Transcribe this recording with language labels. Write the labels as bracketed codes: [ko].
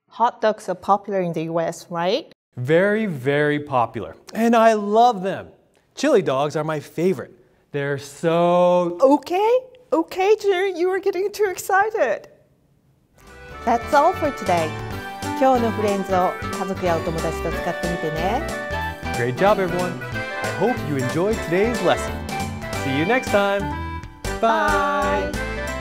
[en] Hot dogs are popular in the US, right? Very, very popular. And I love them. Chili dogs are my favorite. They're so... Okay, okay, June, you are getting too excited. That's all for today. [ja] 今日のフレンズを家族やお友達と使ってみてね。 [en] Great job, everyone. I hope you enjoyed today's lesson. See you next time. Bye! Bye.